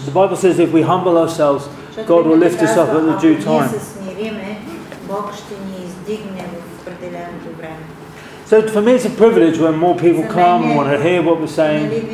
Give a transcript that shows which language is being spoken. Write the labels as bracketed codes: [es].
[en] The Bible says if we humble ourselves, God will lift us up at the due time. [bg] Бог ще ни издигне в определеното време. [en] So for me it's a privilege when more people come and want to hear what we're saying.